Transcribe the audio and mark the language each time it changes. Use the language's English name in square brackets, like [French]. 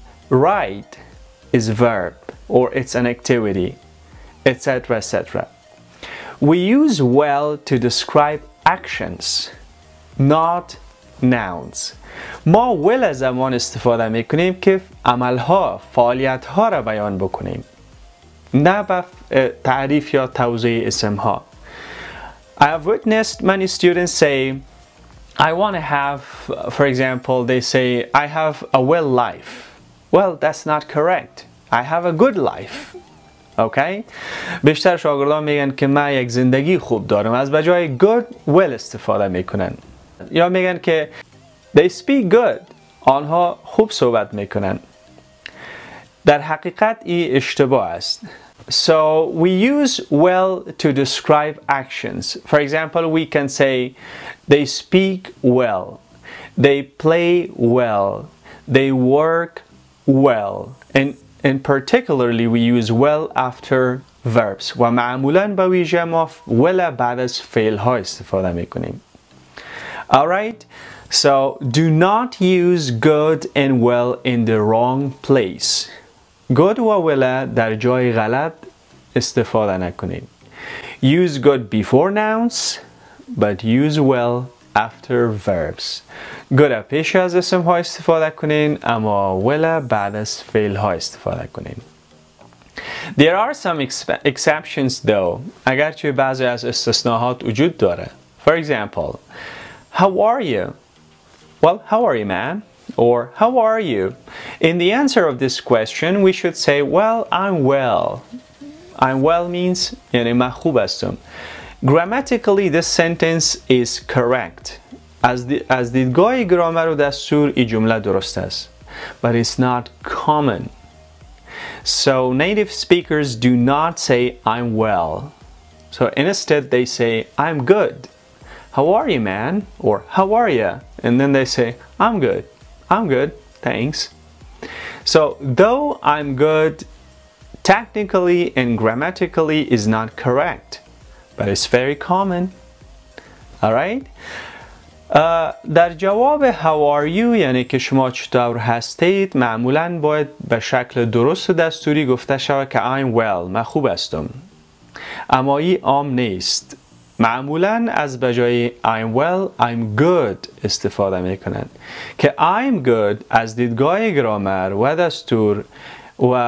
[English] Write is verb, or it's an activity, etc., etc. We use well to describe actions, not nouns. [Persian] ما well از زمان استفاده میکنیم که عملها، فعالیتها را بیان بکنیم. نه به تعریف یا توضیح اسمها. [English] I have witnessed many students say, I want to have, for example, they say, I have a well life. Well, that's not correct. I have a good life. Okay? [Persian] بیشتر شاگردان میگن که من یک زندگی خوب دارم. از بجای good, well استفاده میکنن. یا میگن که [English] they speak good. [Persian] آنها خوب صحبت میکنن. در حقیقت ای اشتباه است. [English] So we use well to describe actions. For example, we can say they speak well, they play well, they work well. And particularly we use well after verbs. [Persian] و معمولاً با ویژه ما well بعد از فعل ها استفاده میکنیم. [English] All right. So do not use good and well in the wrong place. [Persian] Good و well در جای غلط استفاده نکنید. [English] Use good before nouns, but use well after verbs. [Persian] Good پیش از اسم ها استفاده کنین، اما well بعد از فعل ها استفاده کنین. [English] There are some exceptions though. [Persian] اگرچه بعضی از استثناءات وجود داره. [English] For example, how are you? Well, how are you, man? Or how are you? In the answer of this question, we should say, well, I'm well. I'm well means [Persian] یعنی من خوب هستم. [English] Grammatically, this sentence is correct. [Persian] از دیدگاه گرامر و دستور این جمله درست است. [English] But it's not common. So native speakers do not say I'm well. So instead they say I'm good. How are you, man? Or how are you? And then they say I'm good. I'm good, thanks. So, though I'm good, technically and grammatically is not correct, but it's very common. Alright? [Persian] در جواب [English] how are you [Persian] یعنی که شما چطور هستید معمولا باید به شکل درست دستوری گفته شود که I'm well من خوب هستم اما ای عام نیست معمولا از بجای I'm well I'm good استفاده می کنند که I'm good از دیدگاه گرامر و دستور و